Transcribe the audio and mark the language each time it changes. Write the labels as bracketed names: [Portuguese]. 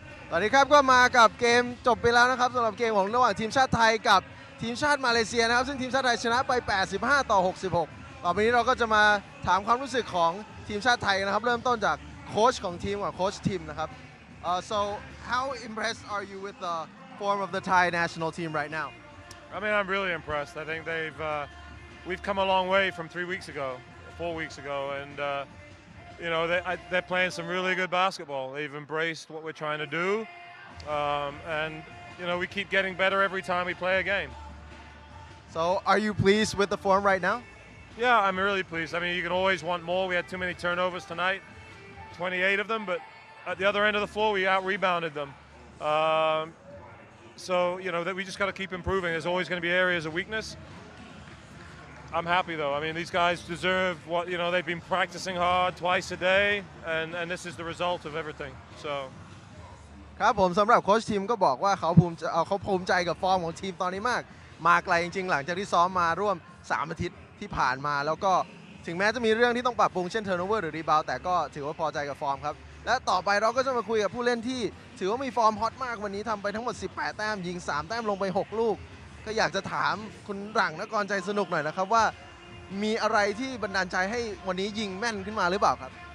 [Thai] ตอนนี้ครับก็มากับเกมจบไปแล้วนะครับสำหรับเกมของระหว่างทีมชาติไทยกับทีมชาติมาเลเซียนะครับซึ่งทีมชาติไทยชนะไป85ต่อ66ต่อไปนี้เราก็จะมาถามความรู้สึกของทีมชาติไทยนะครับเริ่มต้นจากโค้ชของทีมกับโค้ชทีมนะครับ [English] so how impressed are you with the form of the Thai national team right now I mean, I'm really impressed. I think we've come a long way from 3 weeks ago, 4 weeks ago, and you know they're playing some really good basketball. They've embraced what we're trying to do, and you know we keep getting better every time we play a game. So, are you pleased with the form right now? Yeah, I'm really pleased. I mean, you can always want more. We had too many turnovers tonight, 28 of them, but at the other end of the floor, we out-rebounded them. So, you know, that we just got to keep improving. There's always going to be areas of weakness. I'm happy, though. I mean, these guys deserve what, you know, they've been practicing hard twice a day, and this is the result of everything, so. [Thai] ครับผมสำหรับโค้ชทีมก็บอกว่าเขาภูมิใจกับฟอร์มของทีมตอนนี้มากมาไกลจริงๆหลังจากที่ซ้อมมาร่วม3อาทิตย์ที่ผ่านมาแล้วก็ถึงแม้จะมีเรื่องที่ต้องปรับปรุงเช่นเทิร์นโอเวอร์หรือรีบาวด์แต่ก็ถือว่าพอใจกับฟอร์มครับและต่อไปเราก็จะมาคุยกับผู้เล่นที่ถือว่ามีฟอร์มฮอตมากวันนี้ทำไปทั้งหมด18แต้มยิง3แต้มลงไป6ลูกก็อยากจะถามคุณหลังนักกรใจสนุกหน่อยนะครับว่ามีอะไรที่บันดาลใจให้วันนี้ยิงแม่นขึ้นมาหรือเปล่าครับ